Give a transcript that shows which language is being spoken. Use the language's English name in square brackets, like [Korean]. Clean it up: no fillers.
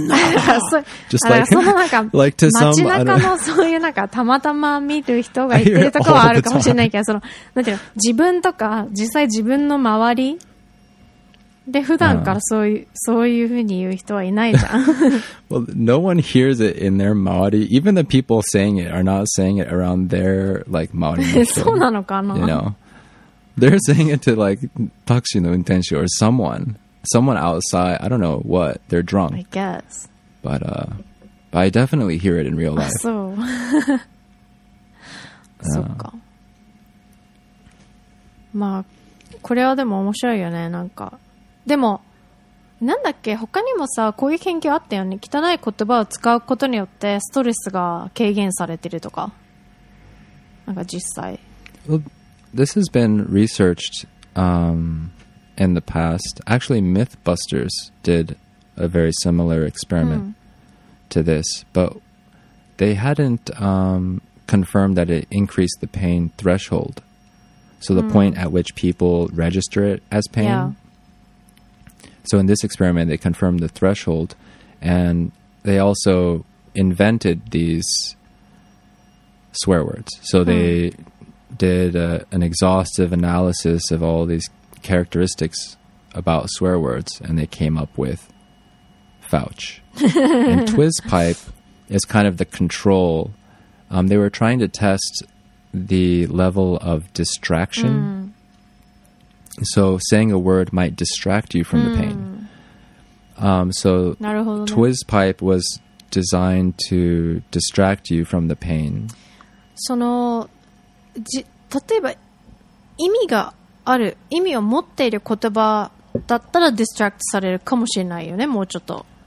[Japanese] だからそう、 [English] just like, [Japanese] そのなんか、 [English] like to some, [Japanese] 街中のそういうなんか、たまたま見る人がいてるとかはあるかもしれないけど、その、なんていうの、自分とか、実際自分の周りで普段からそういう、そういうふうに言う人はいないじゃん。 [English] Well, no one hears it in their 周り. Even the people saying it are not saying it around their, like, 周り。 [Japanese] そうなのかな? [English] You know? They're saying it to, like, [Japanese] タクシーの運転手 [English] or someone. Someone outside. I don't know what. They're drunk. I guess. But, I definitely hear it in real life. [Japanese] そう。そっか。まあ、これはでも面白いよね、なんか。でもなんだっけ、他にもさ、こういう研究あったよね。汚い言葉を使うことによってストレスが軽減されてるとか、なんか実際。 [English] Well, this has been researched in the past. Actually, Mythbusters did a very similar experiment、うん、to this, but they hadn't confirmed that it increased the pain threshold. So the、うん、point at which people register it as pain.、 Yeah. So in this experiment, they confirmed the threshold, and they also invented these swear words. So they、mm. did an exhaustive analysis of all these characteristics about swear words, and they came up with Fouch. And Twizpipe is kind of the control.、they were trying to test the level of distraction.、Mm. So saying a word might distract you from、mm. the pain. So Twizpipe was designed to distract you from the pain. [Japanese] その、例えば意味がある、意味を持っている言葉だったら distract されるかもしれないよね、もうちょっと。